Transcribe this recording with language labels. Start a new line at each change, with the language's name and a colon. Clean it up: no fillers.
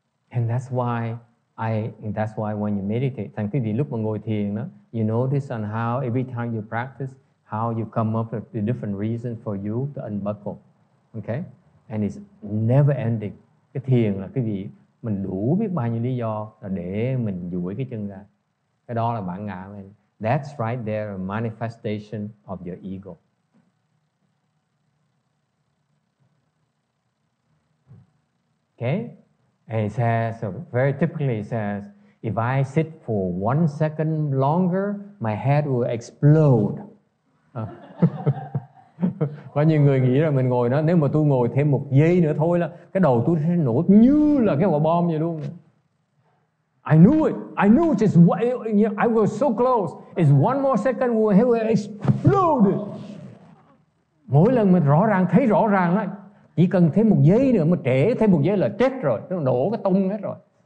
English: And that's why when you meditate, thank you,
Vietnamese: lúc mà ngồi thiền đó,
English: you notice on how every time you practice, how you come up with the different reason for you to unbuckle, okay? And it's never ending.
Vietnamese: Cái thiền là cái gì? Mình đủ biết bao nhiêu lý do là để mình duỗi cái chân ra. Cái đó là bản ngã mình.
English: That's right there, a manifestation of your ego. Okay? And it says, very typically it says, if I sit for 1 second longer, my head will explode.
Vietnamese: Có nhiều người nghĩ là mình ngồi đó, nếu mà tôi ngồi thêm một giây nữa thôi là cái đầu tôi sẽ nổ như là cái quả bom vậy luôn.
English: I knew it, just what, I was so close. It's one more second, my head will explode.
Vietnamese: Mỗi lần mình rõ ràng, thấy rõ ràng đó, chỉ cần thêm một giây nữa mà trễ thêm một giây là chết rồi, nó đổ cái tung hết rồi.